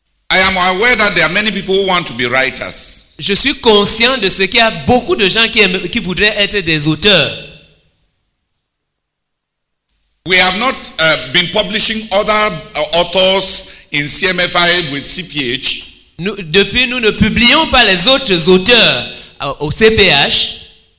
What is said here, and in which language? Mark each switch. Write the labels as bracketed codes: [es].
[en] I am aware that there are many people who want to be writers. [fr] Je suis conscient de ce qu'il y a beaucoup de gens qui voudraient être des auteurs. [en] We have not been publishing other authors in CMFI with CPH. [fr] Nous ne publions pas les autres auteurs au CPH.